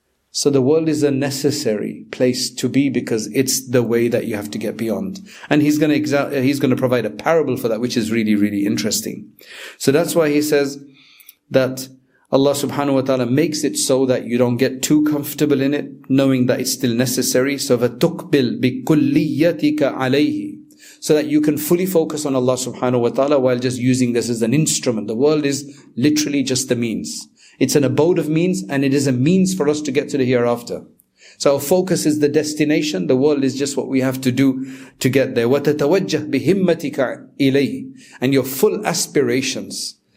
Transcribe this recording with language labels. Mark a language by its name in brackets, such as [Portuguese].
[English] So the world is a necessary place to be because it's the way that you have to get beyond. And he's going to provide a parable for that, which is really, really interesting. So that's why he says that Allah subhanahu wa ta'ala makes it so that you don't get too comfortable in it, knowing that it's still necessary. [Arabic] So فَتُقْبِلْ بِكُلِّيَّتِكَ عَلَيْهِ. [English] So that you can fully focus on Allah subhanahu wa ta'ala while just using this as an instrument. The world is literally just the means. It's an abode of means, and it is a means for us to get to the hereafter. So our focus is the destination. The world is just what we have to do to get there. [Arabic] وَتَتَوَجَّهْ بِهِمَّتِكَ إِلَيْهِ. [English] And your full aspirations